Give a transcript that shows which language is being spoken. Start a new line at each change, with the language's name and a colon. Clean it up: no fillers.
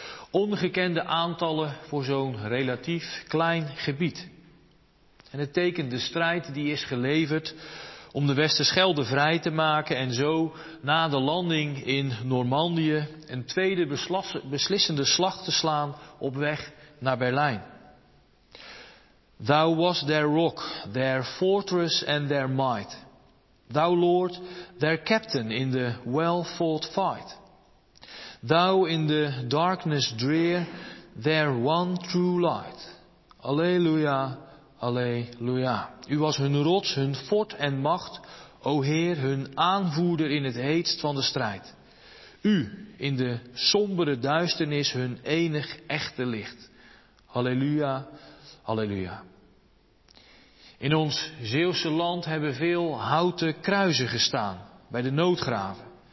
Dutch: Ongekende aantallen voor zo'n relatief klein gebied. En het tekent de strijd die is geleverd om de Westerschelde vrij te maken en zo na de landing in Normandië een tweede beslissende slag te slaan op weg naar Berlijn.
English: Thou was their rock, their fortress and their might. Thou, Lord, their captain in the well-fought fight. Thou in the darkness drear, their one true light. Alleluia, alleluia.
Dutch: U was hun rots, hun fort en macht, o Heer, hun aanvoerder in het heetst van de strijd. U in de sombere duisternis hun enig echte licht. Alleluia, alleluia. In ons Zeeuwse land hebben veel houten kruizen gestaan bij de noodgraven.